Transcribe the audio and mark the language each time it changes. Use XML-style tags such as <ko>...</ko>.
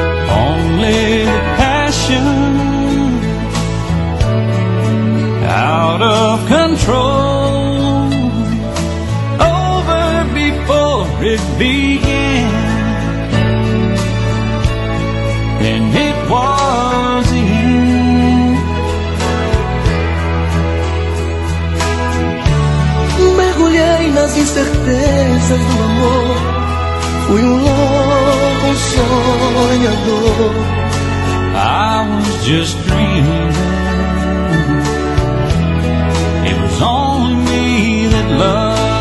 <en>Only the passion out of control over before it began, and it was the end.</en> <pt>Mergulhei nas incertezas do amor, fui louco sonhador.</pt> <en>I was just dreaming, it was only me that loved.</en>